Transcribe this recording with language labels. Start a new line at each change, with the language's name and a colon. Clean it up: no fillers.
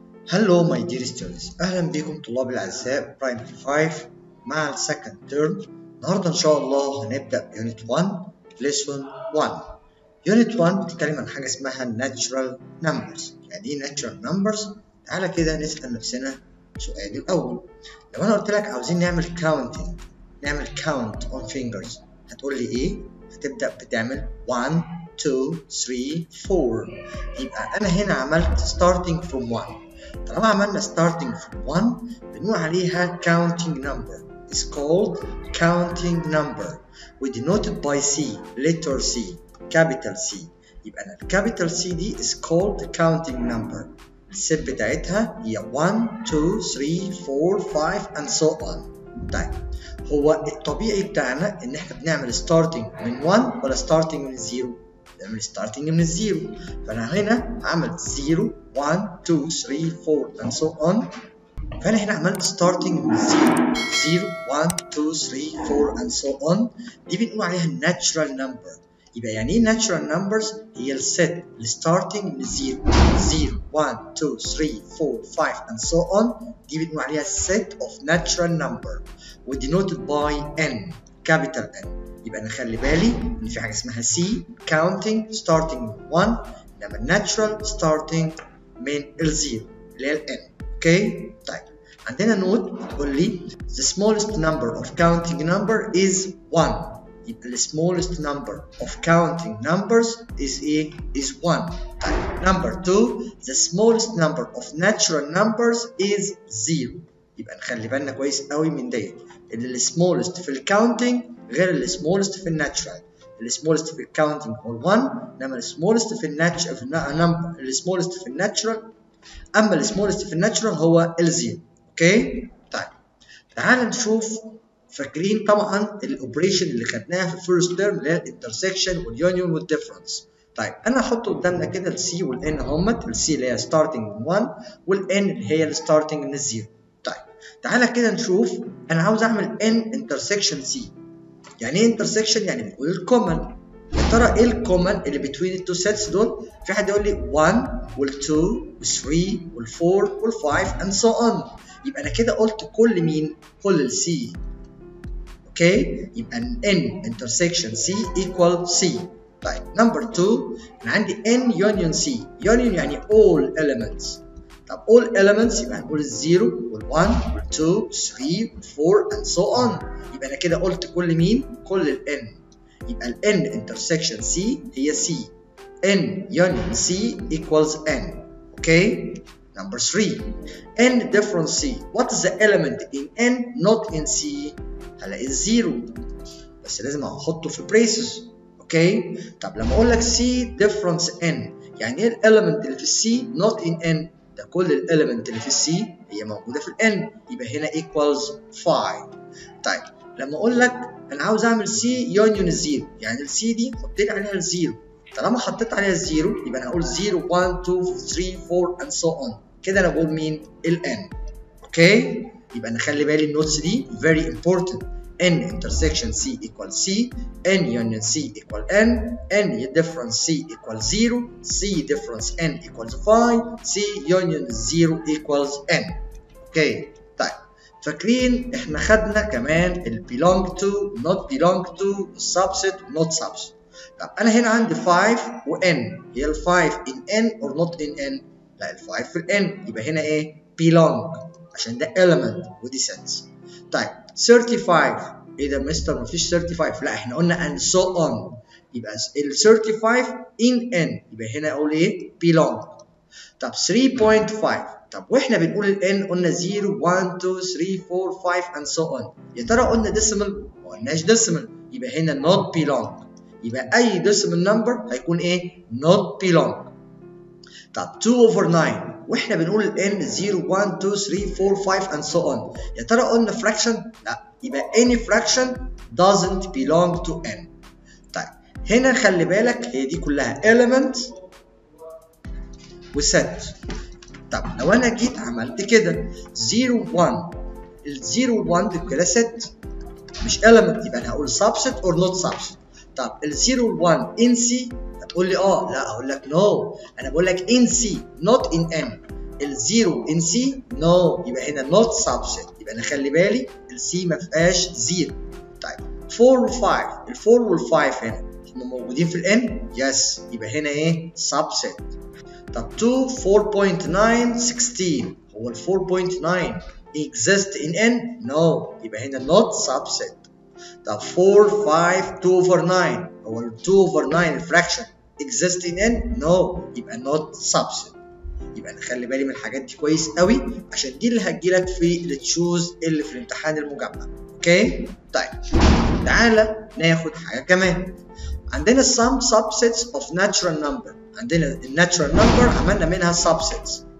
English: Hello my dear students,
Arabic: أهلا بكم طلاب الأعزاء
English: primary 5
Arabic: مع الـ
English: second term.
Arabic: النهاردة إن شاء الله هنبدأ
English: unit 1 lesson 1.
Arabic: unit 1 بتتكلم عن حاجة اسمها
English: natural numbers.
Arabic: يعني natural numbers؟ تعالى كده نسأل نفسنا سؤال الأول. لو أنا قلت لك عاوزين نعمل counting, نعمل
English: count on fingers,
Arabic: هتقول لي إيه؟ هتبدأ بتعمل 1, 2, 3, 4. يبقى أنا هنا عملت
English: starting from 1.
Arabic: طالما عملنا starting from 1 بنقول عليها
English: counting number. It's called counting number. We denoted by C, letter C, capital C.
Arabic: يبقى أنا
English: capital C دي is called counting number.
Arabic: السب بتاعتها هي 1, 2, 3, 4, 5 and so on. طيب هو الطبيعي بتاعنا ان احنا بنعمل
English: starting من 1
Arabic: ولا starting من 0؟ بنعمل starting من 0. فانا هنا عملت 0, 1, 2, 3, 4 and so on. فانا هنا عملت starting من 0, 0, 1, 2, 3, 4 and so on. دي بنقول عليها
English: natural number.
Arabic: يبقى يعني ايه natural numbers؟ هي الست starting من 0, 0, 1, 2, 3, 4, 5 and so on. دي بنقول عليها
English: set of natural number. Denoted by N, capital N.
Arabic: يبقى نخلي بالي ان في حاجة اسمها C, counting starting من 1, لما natural starting من الزيرو اللي هي الN.
English: Okay?
Arabic: طيب عندنا نوت بتقول لي
English: the smallest number of counting number is 1.
Arabic: يبقى
English: the smallest number of counting numbers is 1. طيب number 2, the smallest number of natural numbers is 0.
Arabic: يبقى نخلي بالنا كويس قوي من ده. ان
English: the smallest في counting غير the smallest في natural. The smallest في counting هو 1,
Arabic: نعم
English: the smallest في natural, the smallest في natural,
Arabic: أما
English: the smallest في natural هو الزيرو.
Arabic: اوكي؟ طيب تعال نشوف. فاكرين طبعا الاوبريشن اللي خدناها في
English: first term
Arabic: اللي هي intersection والunion والdifference. طيب انا هحط قدامنا كده ال C وال N همت. ال C اللي هي starting من 1 وال N اللي هي starting من الزيرو. تعالى كده نشوف. انا عاوز اعمل N intersection C. يعني ايه intersection؟ يعني بنقول الكومن. يا ترى ايه الكومن اللي
English: between the two sets
Arabic: دول؟ في حد يقول لي 1 وال 2 وال 3 وال 4 وال 5 and so on. يبقى انا كده قلت كل مين؟ كل ال C.
English: Okay?
Arabic: يبقى
English: N intersection C equal C. طيب number 2،
Arabic: انا عندي
English: N union C. union يعني all elements.
Arabic: طب
English: all elements
Arabic: يبقى نقول 0 وال 1 وال 2 وال 3 وال 4 and so on. يبقى انا كده قلت كل مين؟ كل ال N. يبقى ال
English: N intersection C هي C. N union C equals N. Okay? Number 3. N difference C. What is the element in N not in C؟
Arabic: هلاقي 0. بس لازم احطه في braces.
English: Okay?
Arabic: طب لما اقول لك C difference N، يعني ايه ال element اللي في C
English: not in N؟
Arabic: ده كل ال element اللي في C هي موجودة في ال N. يبقى هنا equals 5. طيب لما اقول لك انا عاوز اعمل C union 0، يعني ال C دي حطيت عليها ال 0. طالما حطيت عليها ال 0 يبقى انا هقول 0, 1, 2, 3, 4 and so on. كده انا بقول مين؟ ال N. اوكي؟ يبقى نخلي بالي النوتس دي
English: very important. N intersection C equal C, N union C equal N, N difference C equal 0, C difference N equals 5, C union 0 equals N.
Arabic: اوكي؟ طيب فاكرين احنا خدنا كمان ال belong to, not belong to, subset, not subset. طب انا هنا عندي 5 و N. هي ال 5
English: in N or not in N؟
Arabic: لا ال 5 في ال N. يبقى هنا ايه؟ belong. عشان ده element ودي sets. طيب 35. ايه ده مستر مفيش 35؟ لا احنا قلنا and so on. يبقى ال 35 in N. يبقى هنا اقول ايه؟ belong. طب 3.5. طب واحنا بنقول ال N قلنا 0, 1, 2, 3, 4, 5 and so on. يا ترى قلنا decimal؟ ما قلناش decimal. يبقى هنا
English: not belong.
Arabic: يبقى اي decimal number هيكون ايه؟ not belong. طب 2 over 9. واحنا بنقول ال N 0, 1, 2, 3, 4, 5 and so on. يا ترى قلنا fraction؟ لا. يبقى
English: any fraction doesn't belong to N.
Arabic: طيب هنا خلي بالك هي دي كلها element و set. طب لو انا جيت عملت كده 0, 1، ال 0, 1 دي كلها set مش element، يبقى انا هقول
English: subset or not subset.
Arabic: طب ال 0, 1 in C؟ قول لي اه. لا اقول لك no. انا بقول لك in C not in N. الزيرو ان سي نو no. يبقى هنا نوت سبست، يبقى انا خلي بالي السي ما فيهاش زيرو. طيب 4 و5، الفور والفايف هنا هم موجودين في الان يس، يبقى هنا ايه سبست.
English: طب 2 4.9 16، هو ال 4.9 exist in n no،
Arabic: يبقى هنا
English: not subset. طب 4 5 2 over 9، هو ال 2 over 9 fraction exist in n no،
Arabic: يبقى
English: not subset.
Arabic: يبقى نخلي بالي من الحاجات دي كويس قوي عشان دي اللي هتجيلك في التشوز اللي في الامتحان المجمع. اوكي طيب تعالى ناخد حاجه كمان. عندنا some subsets of natural number، عندنا الناتشرال نمبر عملنا منها سبسيتس.